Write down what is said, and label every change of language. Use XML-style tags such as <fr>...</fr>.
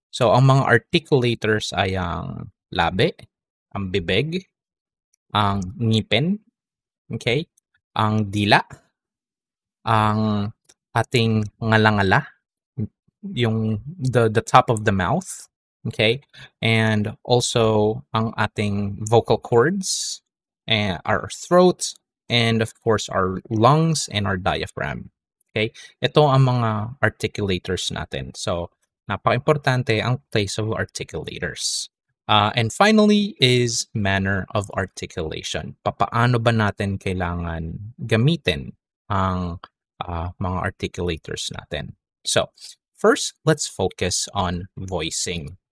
<tl>So, ang mga articulators ay ang labi, ang bibig, ang ngipin, okay? Ang dila, ang ating ngalangala,</tl> <en>yung the top of the mouth, okay, and also ang ating vocal cords and our throat, and of course our lungs and our diaphragm.</en> <tl>Okay, ito ang mga articulators natin. So napaka-importante ang place of articulators.</tl> <en>And finally is manner of articulation.</en> <tl>Paano ba natin kailangan gamitin ang mga articulators natin?</tl> <en>So first, let's focus on voicing.</en>